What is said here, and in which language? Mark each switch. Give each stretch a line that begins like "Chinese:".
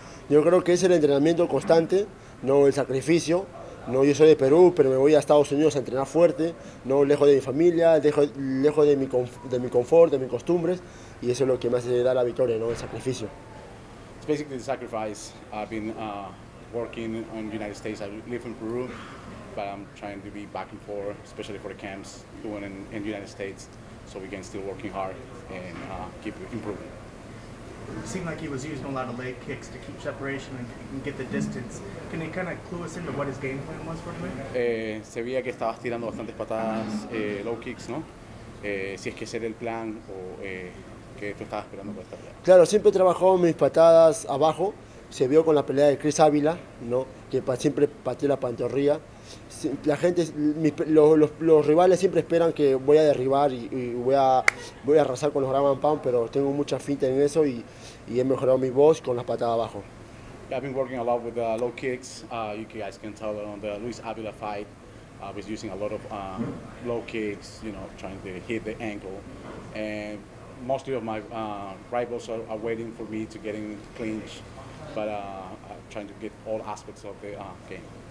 Spanish: Yo creo que es el entrenamiento constante, no el sacrificio. No, yo soy de Perú, pero me voy a Estados Unidos a entrenar fuerte, no lejos de mi familia, lejos de mi confort, de mis costumbres, y eso es lo que me hace dar la victoria, no el sacrificio.
English: It's basically the sacrifice. I've been working in the United States. I live in Peru, but I'm trying to be back and forth, especially for the camps, doing in the United States, so we can still working hard and keep improving. It seemed like he was using a lot of leg kicks to keep separation and get the distance. Can you kind of clue us into what his game plan was for him?
Spanish: Se veía que estabas tirando bastantes patadas, low kicks, ¿no? Si es que ese era el plan o que tú estabas esperando para esta pelea. Claro, siempre trabajó mis patadas abajo. Se vio con la pelea de Chris Ávila, ¿no? Que siempre pateó la pantorrilla. La gente, los rivales siempre esperan que voy a derribar y voy a arrasar con los ground and pound, pero tengo mucha finta en eso y he mejorado mi voz con las patadas abajo.
English: I've been working a lot with the low kicks. You guys can tell that on the Luis Ávila fight, I was using a lot of low kicks, you know, trying to hit the ankle. And mostly of my rivals are waiting for me to get in the clinch, but trying to get all aspects of the game.